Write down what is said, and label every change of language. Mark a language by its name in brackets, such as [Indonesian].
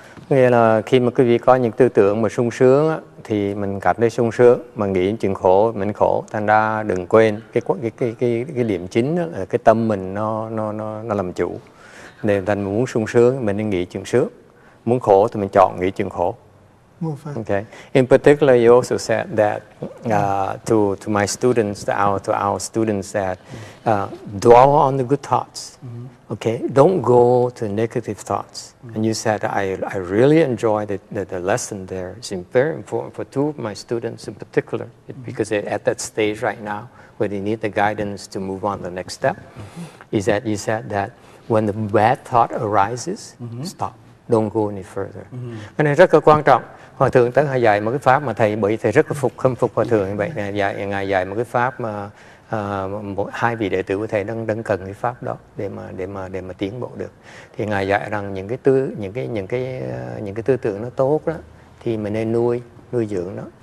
[Vietnamese] Nghĩa là khi mà quý vị có những tư tưởng mà sung sướng đó, thì mình cảm thấy sung sướng, mà nghĩ chuyện khổ mình khổ. Thành ra đừng quên cái điểm chính đó, là cái tâm mình nó làm chủ. Nên thành muốn sung sướng mình nên nghĩ chuyện sướng. Muốn khổ thì mình chọn nghĩ chuyện khổ. [English] Okay. In particular, you also said that to my students, to our students, that dwell on the good thoughts. Okay. Don't go to negative thoughts. And you said I really enjoyed the lesson there. It's very important for two of my students in particular because they're at that stage right now where they need the guidance to move on to the next step. Is that you said that when the bad thought arises, stop. Don't go any further. [Vietnamese] Cái này rất là quan trọng. Hòa thượng tới ngài dạy một cái pháp mà thầy bởi thầy rất là phục khâm phục hòa thượng như vậy. Ngài dạy một cái pháp mà hai vị đệ tử của thầy đang cần cái pháp đó để mà tiến bộ được. Thì ngài dạy rằng những cái tư tưởng nó tốt đó thì mình nên nuôi dưỡng nó.